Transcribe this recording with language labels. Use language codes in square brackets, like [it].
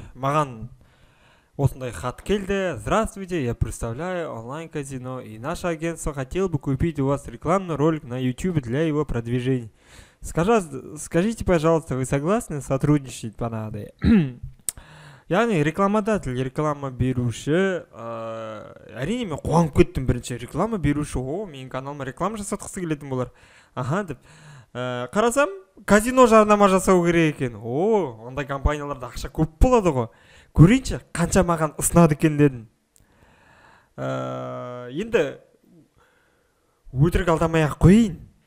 [kk] Маған осындай хат келді. [ru] Здравствуйте, я представляю онлайн-казино, и наше агентство хотел бы купить у вас рекламный ролик на YouTube для его продвижения. Скажите, пожалуйста, вы согласны сотрудничать по надо? Я не рекламодатель, [kk] реклама беруші. Әрине, мен қуанып кеттім бірінші. Реклама беруші, о, менің каналыма реклама жасатқысы келетін болар. Ага, деп. Қарасам, казино жарнама жасау керек екен. О, ондай компанияларда ақша көп болады ғой. Көрінші, қанша маған ұсынады екен дедім. Енді өтірік алдамай-ақ қояйын.